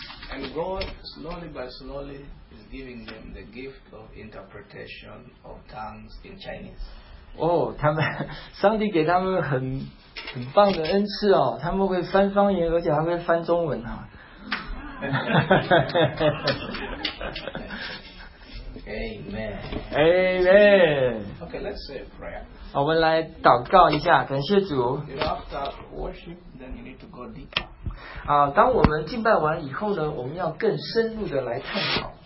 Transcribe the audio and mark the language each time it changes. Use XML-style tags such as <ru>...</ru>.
<en>And God, slowly by slowly, is giving them the gift of interpretation of tongues in Chinese.</en> <zh>哦，他们，上帝给他们很棒的恩赐哦， 他们会翻方言， 而且还会翻中文啊。</zh> <en>Amen. Amen. Okay, let's say a prayer.</en> <zh>我们来祷告一下， 感谢主。</zh> <en>After worship, then you need to go deeper.</en> <zh>当我们敬拜完以后呢， 我们要更深入的来探讨。</zh>